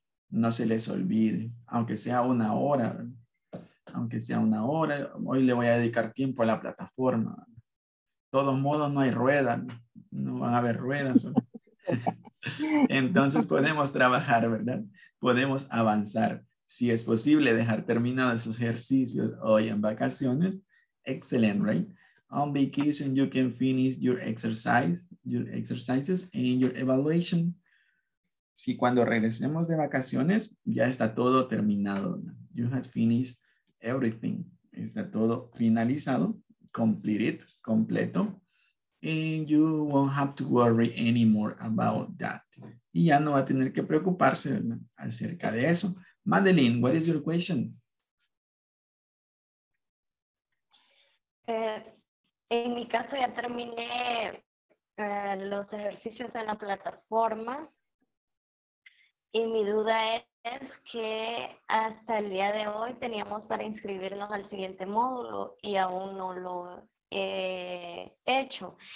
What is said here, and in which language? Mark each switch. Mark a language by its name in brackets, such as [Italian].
[Spanish] no se les olvide, aunque sea una hora, aunque sea una hora, hoy le voy a dedicar tiempo a la plataforma. De todos modos, no hay ruedas, no van a haber ruedas. Entonces podemos trabajar, ¿verdad? Podemos avanzar. Si es posible dejar terminados esos ejercicios hoy en vacaciones, [English] excellent, right? On vacation, you can finish your exercises and your evaluation. [Spanish] Si cuando regresemos de vacaciones, ya está todo terminado. [English] You have finished everything. [Spanish] Está todo finalizado. [English] Complete it, [Spanish] completo. [English] And you won't have to worry anymore about that. [Spanish] Y ya no va a tener que preocuparse acerca de eso. [English] Madeline, what is your question? [Spanish] En mi caso ya terminé los ejercicios en la plataforma y mi duda es que hasta el día de hoy teníamos para inscribirnos al siguiente módulo y aún no lo he hecho.